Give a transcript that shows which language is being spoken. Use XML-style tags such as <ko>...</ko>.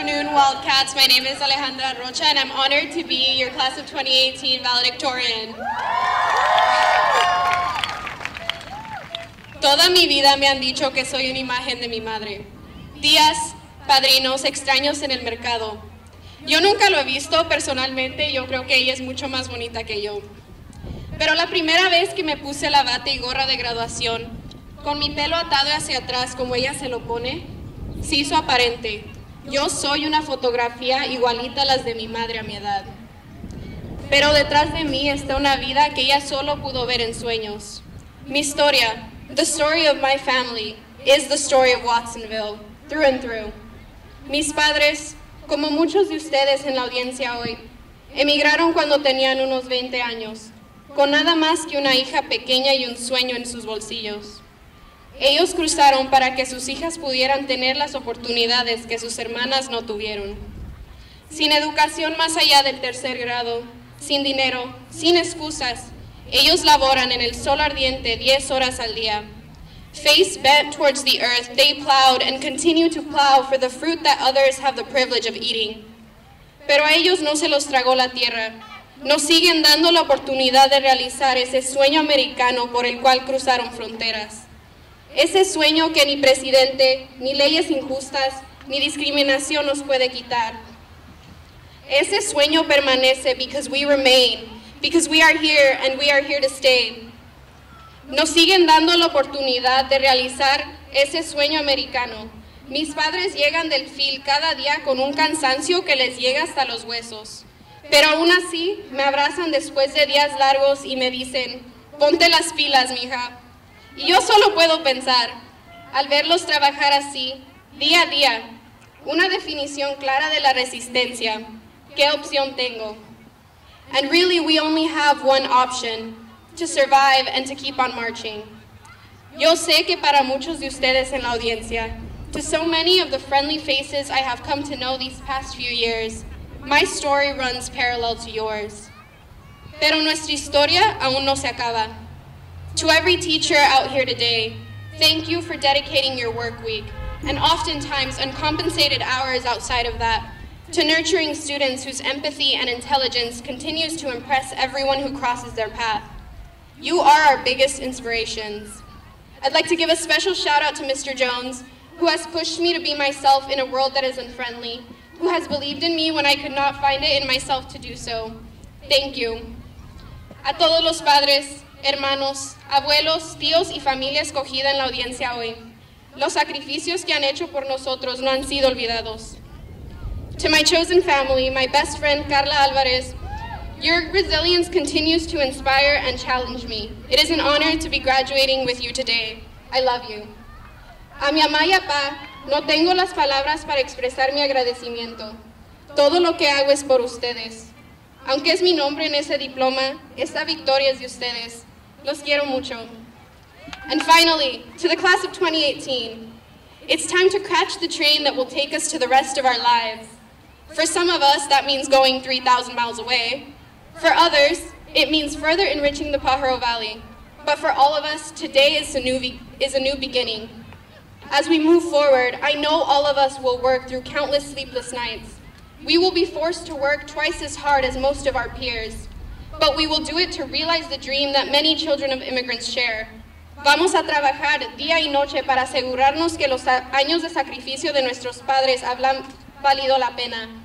<en>Wildcats, my name is Alejandra Rocha and I'm honored to be your class of 2018 valedictorian.</en> <es>Toda mi vida me han dicho que soy una imagen de mi madre. Días, padrinos, extraños en el mercado. Yo nunca lo he visto personalmente, yo creo que ella es mucho más bonita que yo. Pero la primera vez que me puse la bata y gorra de graduación, con mi pelo atado hacia atrás como ella se lo pone, se hizo aparente. Yo soy una fotografía igualita a las de mi madre a mi edad. Pero detrás de mí está una vida que ella solo pudo ver en sueños. Mi historia,</es> <en>the story of my family, is the story of Watsonville, through and through.</en> <es>Mis padres, como muchos de ustedes en la audiencia hoy, emigraron cuando tenían unos 20 años, con nada más que una hija pequeña y un sueño en sus bolsillos. Ellos cruzaron para que sus hijas pudieran tener las oportunidades que sus hermanas no tuvieron. Sin educación más allá del tercer grado, sin dinero, sin excusas, ellos laboran en el sol ardiente 10 horas al día.</es> <en>Face bent towards the earth, they plowed and continue to plow for the fruit that others have the privilege of eating.</en> <es>Pero a ellos no se los tragó la tierra. Nos siguen dando la oportunidad de realizar ese sueño americano por el cual cruzaron fronteras. Ese sueño que ni presidente, ni leyes injustas, ni discriminación nos puede quitar. Ese sueño permanece</es> <en>because we remain, because we are here and we are here to stay.</en> <es>Nos siguen dando la oportunidad de realizar ese sueño americano. Mis padres llegan del field cada día con un cansancio que les llega hasta los huesos. Pero aún así, me abrazan después de días largos y me dicen, ponte las pilas, mija. Y yo solo puedo pensar, al verlos trabajar así, día a día, una definición clara de la resistencia, ¿qué opción tengo?</es> <en>And really, we only have one option, to survive and to keep on marching.</en> <es>Yo sé que para muchos de ustedes en la audiencia,</es> <en>to so many of the friendly faces I have come to know these past few years, my story runs parallel to yours.</en> <es>Pero nuestra historia aún no se acaba.</es> <en>To every teacher out here today, thank you for dedicating your work week and oftentimes uncompensated hours outside of that to nurturing students whose empathy and intelligence continues to impress everyone who crosses their path. You are our biggest inspirations. I'd like to give a special shout out to Mr. Jones, who has pushed me to be myself in a world that is unfriendly, who has believed in me when I could not find it in myself to do so. Thank you.</en> <es>A todos los padres, hermanos, abuelos, tíos y familia escogida en la audiencia hoy, los sacrificios que han hecho por nosotros no han sido olvidados.</es> <en>To my chosen family, my best friend, Carla Alvarez, your resilience continues to inspire and challenge me. It is an honor to be graduating with you today. I love you.</en> <es>A mi mamá y papá, no tengo las palabras para expresar mi agradecimiento. Todo lo que hago es por ustedes. Aunque es mi nombre en ese diploma, esta victoria es de ustedes. Los quiero mucho.</es> <en>And finally, to the class of 2018, it's time to catch the train that will take us to the rest of our lives. For some of us, that means going 3,000 miles away. For others, it means further enriching the Pajaro Valley. But for all of us, today is a new beginning. As we move forward, I know all of us will work through countless sleepless nights. We will be forced to work twice as hard as most of our peers. But we will do it to realize the dream that many children of immigrants share.</en> <es>Vamos a trabajar día y noche para asegurarnos que los años de sacrificio de nuestros padres hablan valido la pena.</es>